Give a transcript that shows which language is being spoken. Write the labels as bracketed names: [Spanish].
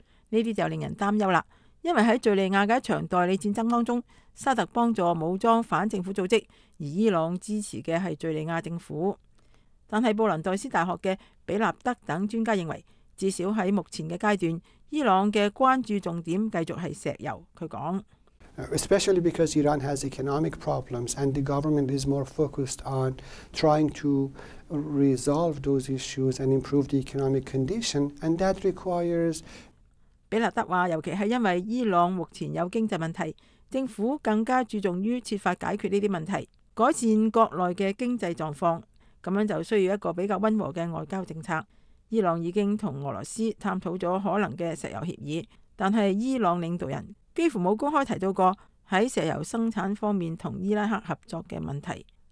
[Chinese] 这些就令人担忧了，因为在叙利亚的一场代理战争当中，沙特帮助武装反政府组织，而伊朗支持的是叙利亚政府。但是布伦代斯大学的比纳德等专家认为，至少在目前的阶段，伊朗的关注重点继续是石油。他说 [English] especially because Iran has economic problems and the government is more focused on trying to resolve those issues and improve the economic condition, and that requires [Chinese] 比勒德說, 尤其是因為伊朗目前有經濟問題, 政府更加注重於設法解決這些問題, 改善國內的經濟狀況, 這樣就需要一個比較溫和的外交政策。伊朗已經和俄羅斯探討了可能的石油協議, 但是伊朗領導人幾乎沒有公開提到過在石油生產方面和伊拉克合作的問題。